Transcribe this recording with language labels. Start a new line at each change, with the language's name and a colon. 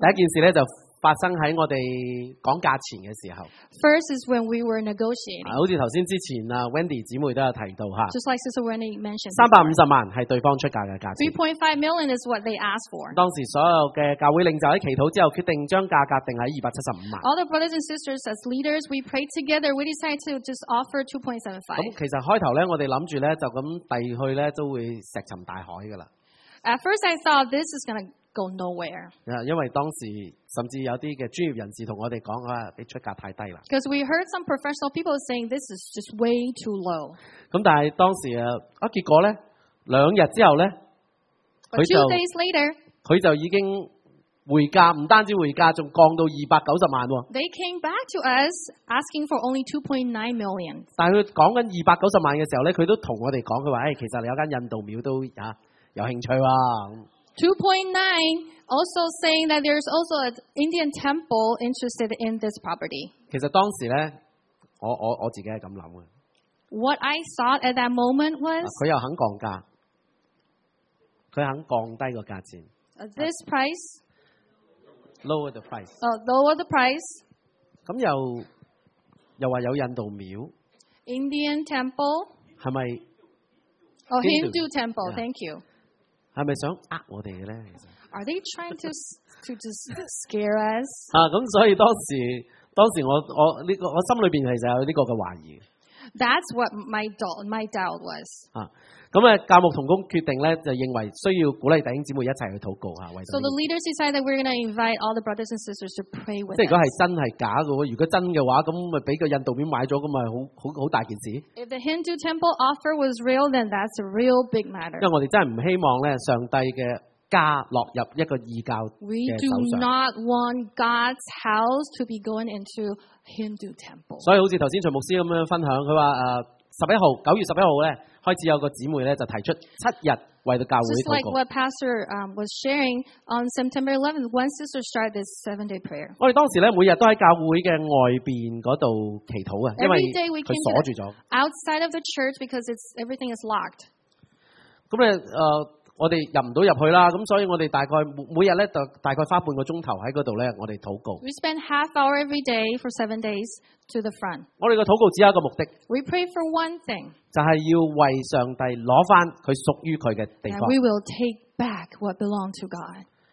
Cantonese: 第一件事咧，就發生喺我哋講價錢嘅時候。
English: First is when we were negotiating.
Cantonese: 好似頭先之前啊 ，Wendy 姊妹都有提到嚇。
English: Just like Sister Wendy mentioned.
Cantonese: 350萬係對方出價嘅價錢。
English: 3.5 million is what they asked for.
Cantonese: 當時所有嘅教會領袖喺祈禱之後，決定將價格定喺275萬。
English: All the brothers and sisters as leaders, we prayed together. We decided to just offer 2.75.
Cantonese: 咁其實開頭咧，我哋諗住咧就咁遞去咧都會石沉大海噶啦。
English: At first, I thought this is going to go nowhere.
Cantonese: Yeah, 因為當時甚至有啲嘅專業人士同我哋講啊，你出價太低啦。
English: Because we heard some professional people saying this is just way too low.
Cantonese: 咁但係當時結果咧，兩日之後咧，佢就
English: 2 days later,
Cantonese: 佢就已經回价唔单止回价，仲降到290万。
English: They came back to us asking for only 2.9 million。
Cantonese: 但佢讲紧290万嘅时候咧，佢都同我哋讲，佢话：，诶，其实你有间印度庙都吓有兴趣啊。
English: 2.9 also saying that there's also an Indian temple interested in this property。
Cantonese: 其实当时咧，我自己系咁谂嘅。
English: What I thought at that moment was，
Cantonese: 佢又肯降价，佢肯降低个价钱。
English: This price。 Lower the price. Lower the price.
Cantonese: 咁又話有印度廟。
English: Indian temple.
Cantonese: 係咪
English: ？Oh, Hindu temple. Yeah. Thank you.
Cantonese: 係咪想呃我哋嘅咧
English: ？Are they trying to just scare us?
Cantonese: 啊，咁所以當時我呢個我心裏邊其實有呢個嘅懷疑。
English: That's what my doubt was. 啊。
Cantonese: 咁教牧同工決定咧，就認為需要鼓勵弟兄姊妹一齊去禱告嚇。
English: So the leaders decide that we're going to invite all the brothers and sisters to pray with us.
Cantonese: 即係如果係真係假嘅，如果真嘅話，咁咪俾個印度廟買咗，咁咪好大件事。
English: If the Hindu temple offer was real, then that's a real big matter.
Cantonese: 因為我哋真係唔希望咧，上帝嘅家落入一個異教嘅手上。
English: We do not want God's house to be going into Hindu temple.
Cantonese: 所以好似頭先徐牧師咁樣分享，佢話9月11日咧。開始有個姊妹咧就提出7日為到教會禱告。
English: Just like what Pastor was sharing on September 11th, one sister started this 7-day prayer.
Cantonese: 我哋當時咧每日都喺教會嘅外邊嗰度祈禱啊，因為佢鎖住咗。
English: Outside of the church because it's everything is locked.
Cantonese: 咁咧我哋入唔到入去啦，咁所以我哋大概每日咧就大概花半個鐘頭喺嗰度咧，我哋禱告。
English: We spend half hour every day for 7 days to the front.
Cantonese: 我哋嘅禱告只有一個目的。
English: We pray for one thing.
Cantonese: 就係要為上帝攞翻佢屬於佢嘅地方。
English: And we will take back what belongs to God.